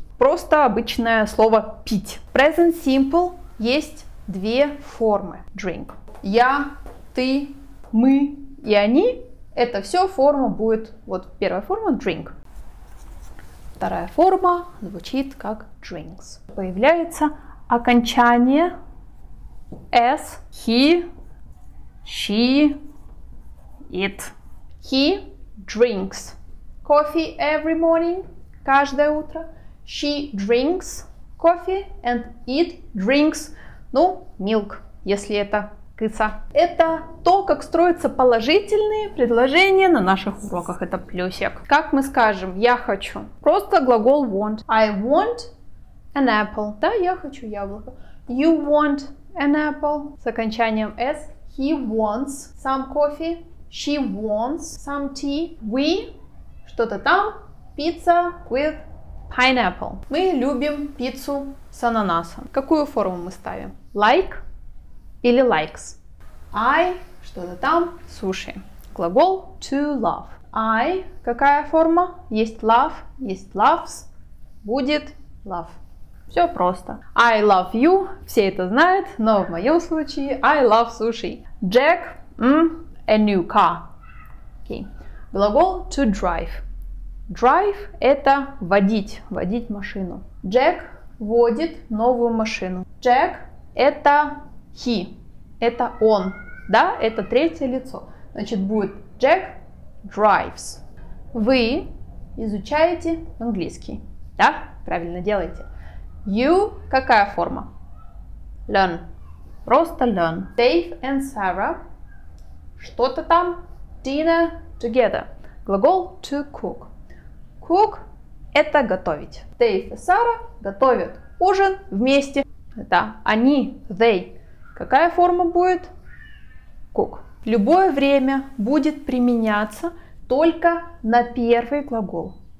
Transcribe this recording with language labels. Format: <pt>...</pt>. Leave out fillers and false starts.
<ru>Просто обычное слово пить. В present simple есть две формы drink. Я, ты, мы и они. Это все форма будет, вот первая форма drink. Вторая форма звучит как drinks. Появляется окончание s, he, she, it.</ru> <en>He drinks coffee every morning,</en> <ru>каждое утро.</ru> <en>She drinks coffee and it drinks, ну, milk,</en> <ru>если это крыса. Это то, как строятся положительные предложения на наших уроках. Это плюсик. Как мы скажем «я хочу»? Просто глагол want.</ru> <en>I want an apple.</en> <ru>Да, я хочу яблоко.</ru> <en>You want an apple.</en> <ru>С окончанием s.</ru> <en>He wants some coffee. She wants some tea.</en> <ru>We что-то там.</ru> <en>Pizza with pineapple.</en> <ru>Мы любим пиццу с ананасом. Какую форму мы ставим?</ru> <en>Like или likes?</en> <ru>I что-то там. Суши. Глагол to love. I какая форма? Есть loves. Будет</ru> <en>love.</en> <ru>Все просто.</ru> <en>I love you.</en> <ru>Все это знают, но в моем случае</ru> <en>I love sushi. Jack a new car. Okay.</en> <ru>Глагол to drive. Drive – это водить, водить машину. Jack водит новую машину. Jack – это he, это он, да, это третье лицо. Значит, будет</ru> <en>Jack drives.</en> <ru>Вы изучаете английский, да, правильно делаете. You – какая форма?</ru> <en>Learn, просто learn. Dave and Sarah –</en> <ru>что-то там,</ru> <en>dinner together.</en> <ru>Глагол to cook. Cook – это готовить. Dave и Sarah готовят ужин вместе. Это они, they. Какая форма будет? Cook. Любое время будет применяться только на первый глагол.</ru>